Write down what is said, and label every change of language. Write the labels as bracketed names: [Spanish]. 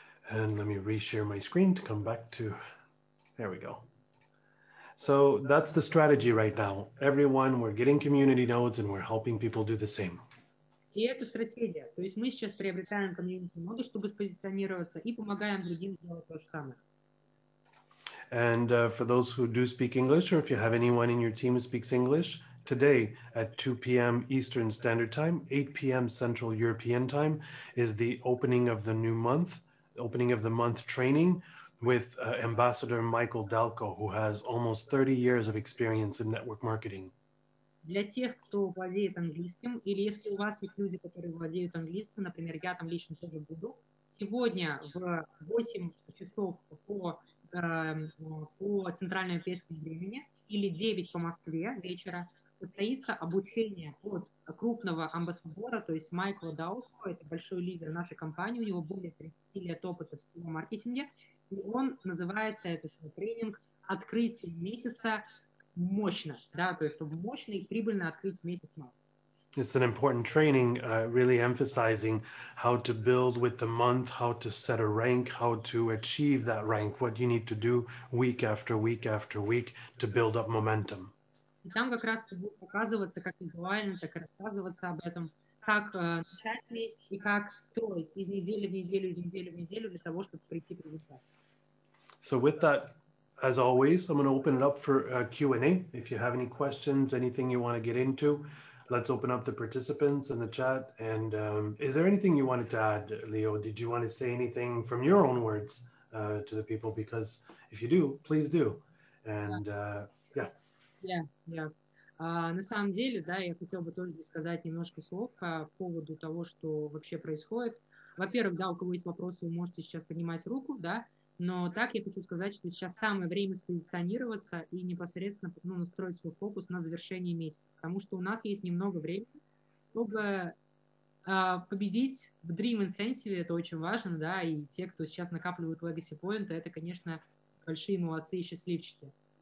[English] And let me reshare my screen to come back to... There we go. So that's the strategy right now. Everyone, we're getting community nodes and we're helping people do the same. [Russian] И это стратегия. То есть мы сейчас приобретаем community nodes, чтобы спозиционироваться, и помогаем другим делать то же самое. [English] And for those who do speak English, or if you have anyone in your team who speaks English, today at 2 p.m. Eastern Standard Time, 8 p.m. Central European Time, is the opening of the new month, opening of the month training with Ambassador Michael Далко, who has almost 30 years of experience in network marketing. [Russian] Для тех, кто владеет английским, или если у вас есть люди, которые владеют английским, например, я там лично тоже буду, сегодня в 8 часов по центральноевропейскому времени или 9 по Москве вечера состоится обучение от крупного амбассадора, то есть Майкла Далко, это большой лидер нашей компании, у него более 30 лет опыта в сетевом маркетинге, и он называется, этот тренинг, «Открытие месяца мощно», да, то есть чтобы мощно и прибыльно открыть месяц мало. [English] It's an important training, really emphasizing how to build with the month, how to set a rank, how to achieve that rank, what you need to do week after week after week to build up momentum. [Russian] И там как раз будет показываться как визуально, так и рассказываться об этом, как начать месяц и как строить из недели в неделю, из недели в неделю для того, чтобы прийти к результату. [English] So with that, as always, I'm going to open it up for Q&A. If you have any questions, anything you want to get into, let's open up the participants in the chat. And is there anything you wanted to add, Leo? Did you want to say anything from your own words to the people? Because if you do, please do. And yeah. [Russian] На самом деле, да, я хотел бы тоже здесь сказать немножко слов по поводу того, что вообще происходит. Во-первых, да, у кого есть вопросы, вы можете сейчас поднимать руку, да. Но так я хочу сказать, что сейчас самое время спозиционироваться и непосредственно настроить свой фокус на завершение месяца, потому что у нас есть немного времени, чтобы победить в Dream Incentive, это очень важно, да, и те, кто сейчас накапливают Legacy Point, это, конечно, большие молодцы и счастливчики.